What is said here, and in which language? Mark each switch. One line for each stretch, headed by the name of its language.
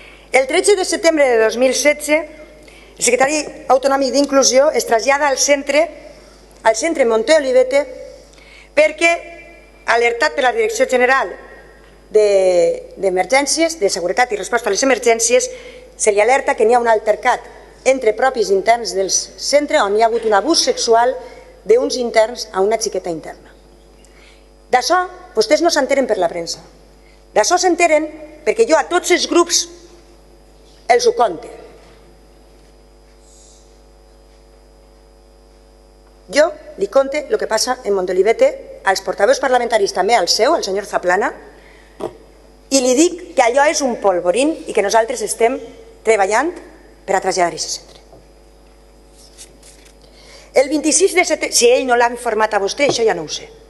Catalan: El 13 de setembre de 2016, el secretari autonòmic d'Inclusió es trasllada al centre Monteolivete perquè, alertat per la Direcció General d'Emergències, de Seguretat i Resposta a les Emergències, se li alerta que n'hi ha un altercat entre propis interns del centre on hi ha hagut un abús sexual d'uns interns a una xiqueta interna. D'això, vostès no s'enteren per la premsa. D'això s'enteren perquè jo a tots els grups els ho conto.
Spanish: Yo li conte lo que pasa en Montolivete a los portavoz parlamentarios, también al seu, al señor Zaplana, y le digo que allò es un polvorín y que nosotros
Catalan: estem treballant per a traslladar
Spanish: ese centre.
Catalan: El 26 de setembre, si ell no l'ha informat a vostè, això ja no ho sé.